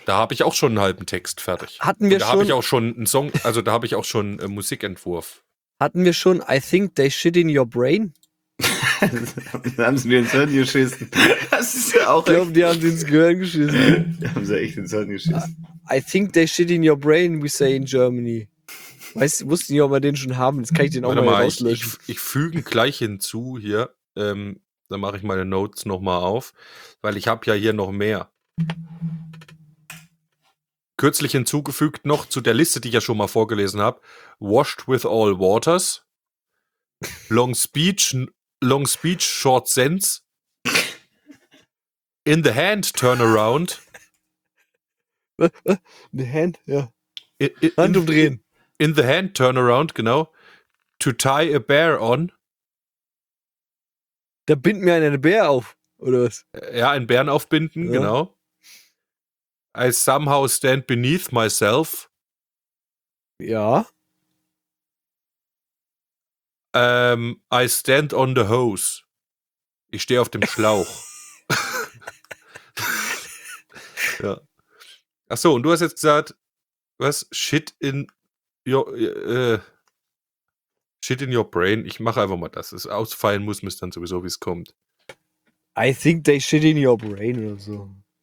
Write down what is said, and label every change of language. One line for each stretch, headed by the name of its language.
German: Da habe ich auch schon einen halben Text fertig. Hatten wir da Da habe ich auch schon einen Song, also da habe ich auch schon einen Musikentwurf. Hatten wir schon
English: I Think They Shit in Your Brain?
German: Da haben sie mir ins Hirn geschissen. Das ist ja auch. Ich glaube, die haben sie ins Gehirn geschissen. Da haben sie echt ins Hirn geschissen.
English: I Think They Shit in Your Brain, we say in Germany.
German: Wusste nicht, ob wir den schon haben. Jetzt kann ich den auch mal rauslöschen. Ich füge gleich hinzu hier. Dann mache ich meine Notes nochmal auf, weil ich habe ja hier noch mehr. Kürzlich hinzugefügt noch zu der Liste, die ich ja schon mal vorgelesen habe.
English: Washed with all waters. Long speech, short sense. In the hand, turn around. In the hand, ja.
German: Hand umdrehen.
English: In the hand, turn around, genau. To tie a bear on.
German: Da bindet mir einen Bär auf, oder was? Ja, einen Bären aufbinden, genau.
English: I somehow stand beneath myself.
German: Ja.
English: I stand on the hose.
German: Ich stehe auf dem Schlauch. Ja. Ach so, und du hast jetzt gesagt, was?
English: Shit in your brain.
German: Ich mache einfach mal das. Es ausfallen muss, müsste dann sowieso, wie es kommt.
English: I think they shit in your brain
German: oder so.